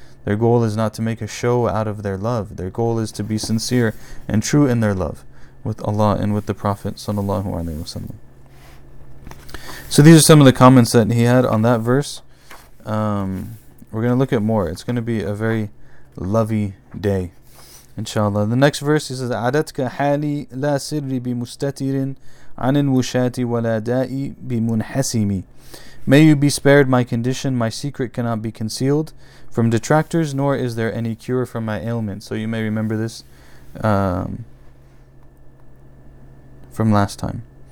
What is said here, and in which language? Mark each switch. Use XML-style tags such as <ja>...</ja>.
<en>Their goal is not to make a show out of their love. Their goal is to be sincere and true in their love with Allah and with the Prophet sallallahu alaihi wasallam. So these are some of the comments that he had on that verse. We're going to look at more. It's going to be a very lovey day, inshallah. The next verse is</en> <ar>عَدَتْكَ حَالِي لَا سِرِّي بِمُسْتَتِرٍ عَنِ الْمُشَاتِ وَلَا دَائِي بِمُنْحَسِمِ.</ar> <en>May you be spared my condition. My secret cannot be concealed from detractors, nor is there any cure for my ailment. So you may remember this from last time.</en>